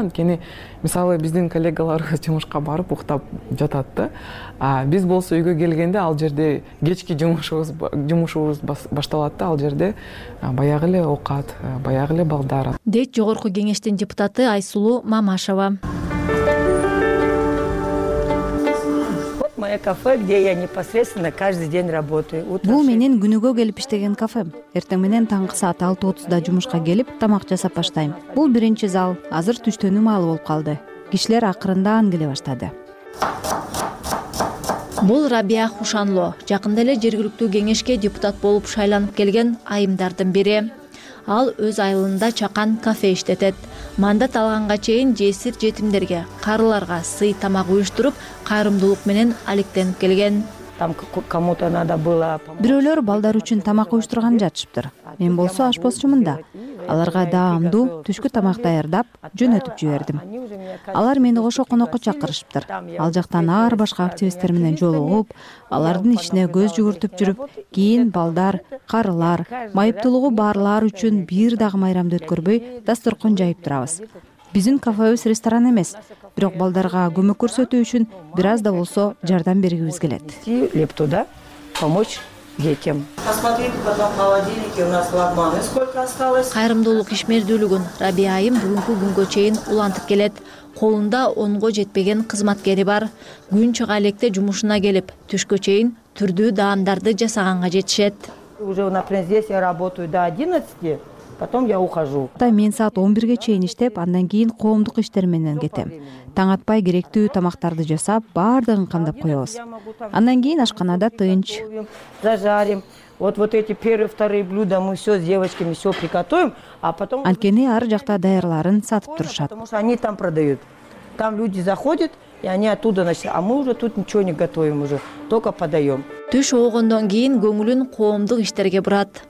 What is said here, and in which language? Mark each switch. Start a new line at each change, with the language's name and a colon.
Kyrgyz: Анткени мисалы биздин коллегаларыбыз жумушка барып уктап жатат да. А биз болсо үйгө келгенде ал жерде кечки жумушубуз башталат да. Ал жерде баягы эле оокат, баягы эле балдар. Дейт Жогорку Кеңештин депутаты Айсулуу Мамашева.
Russian: Вот мое кафе, где я непосредственно каждый день работаю.
Kyrgyz: Бул менин күнүгө келип иштеген кафем. Эртең менен таңкы саат 6:30 жумушка келип, тамак жасап баштайм. Бул биринчи зал, азыр түштөнүм алып болуп калды. Кишилер акырындан келе баштады. Бул Рабия Хушанло, жакында эле жергиликтүү кеңешке депутат болуп шайланып келген айымдардын бири. Ал өз айылында чакан кафе иштетет. Мандат алганга чейин жесир жетимдерге, карыларга сый тамак уюштуруп, кайрымдуулук менен алектенип келген.
Russian: Там кому-то надо было.
Kyrgyz: Бирөөлөр балдар үчүн тамак уюштурган жатышыптыр. Мен болсо ашпозчумун да. Аларга даамдуу түшкү тамак даярдап, жөнөтүп жибердим. Алар мени кошо конокко чакырышыптыр. Ал жактан ар башка активисттер менен жолугуп, алардын ишине көз жүгүртүп жүрүп, кийин балдар, карылар, майыптуулугу барлар үчүн бир дагы майрамды өткөрбөй дасторкон жайып турабыз. Биздин кафебиз ресторан эмес, бирок балдарга көмөк көрсөтүү үчүн бир аз да болсо жардам бергибиз келет.
Russian: Лептуда помочь детям. Посмотрите потом в холодильнике у нас лагманы сколько осталось.
Kyrgyz: Кайрымдуулук ишмердүүлүгүн Рабия айым бүгүнкү күнгө чейин улантып келет. Колунда 10 жетпеген кызматкери бар. Күн чыга электе жумушуна келип, түшкө чейин түрдүү даамдарды жасаганга жетишет.
Russian: Уже на принцессе я работаю до 11. Потом я ухожу.
Kyrgyz: Да, мен саат 11 чейин иштеп, андан кийин коомдук иштер менен кетем. Таң атпай керектүү тамактарды жасап, бардыгын камдап коебуз. Андан кийин ашканада тынч.
Russian: Зажарим. Вот эти первые, вторые блюда мы всё с девочками всё приготовим, а потом.
Kyrgyz: Анткени ар жакта даярларын сатып турушат.
Russian: Потому что они там продают. Там люди заходят, и они оттуда начинают. А мы уже тут ничего не готовим уже, только подаём.
Kyrgyz: Түш оогондон кийин көңүлүн коомдук иштерге бурат.